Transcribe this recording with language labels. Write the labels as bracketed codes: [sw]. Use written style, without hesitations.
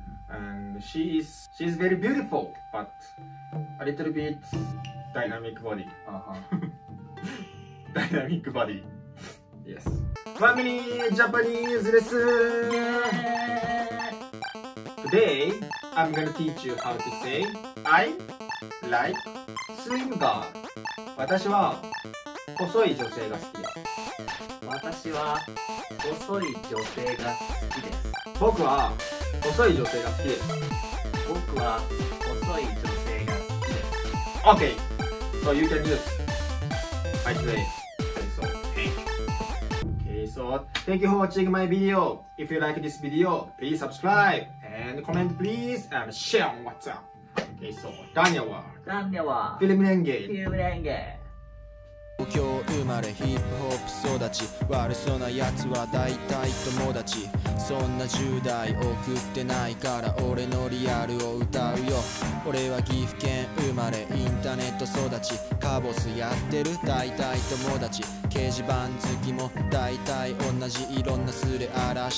[en] And she's very beautiful, but a little bit dynamic body. Dynamic body. Yes. Family Japanese lesson! Today, I'm gonna teach you how to say I like slim girl. [ja] 私は細い女性が好きです。私は細い女性が好きです。僕は細い女性が好きです。僕は細い女性が好きです。 [en] Okay, so you can use my today. So, okay, so thank you for watching my video. If you like this video, please subscribe and comment, please, and share on WhatsApp. Okay, so, Danyawa. Film Renge. [ja] 東京生まれヒップホップ育ち悪そうな奴は大体友達そんな10代送ってないから俺のリアルを歌うよ俺は岐阜県生まれインターネット育ちカボスやってる大体友達掲示板好きも大体同じいろんなすれ荒らして